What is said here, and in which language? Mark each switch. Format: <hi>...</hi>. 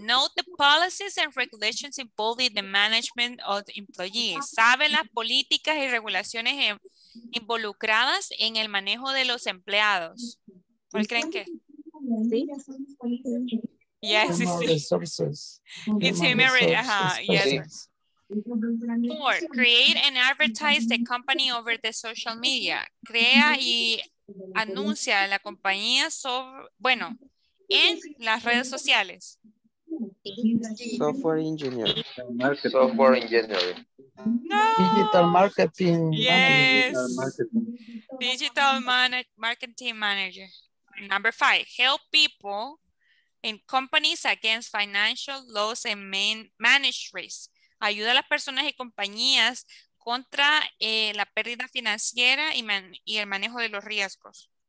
<en>Know the policies and regulations involved in the management of the employees.</en> <es>Sabe las políticas y regulaciones involucradas en el manejo de los empleados. ¿Cuál creen que? Sí.</es> <en>Yes, it's human resources. It's human resources. Yes. Four, create and advertise the company over the social media.</en> <es>Crea y anuncia la compañía sobre, bueno, en las redes sociales.</es> <en>Software engineer. Software engineer. No. Digital marketing. Yes. Manager. Digital marketing manager. Number five, help people in companies against financial loss and manage risk.</en> <es>Ayuda a las personas y compañías contra la pérdida financiera y el manejo de los riesgos.</es>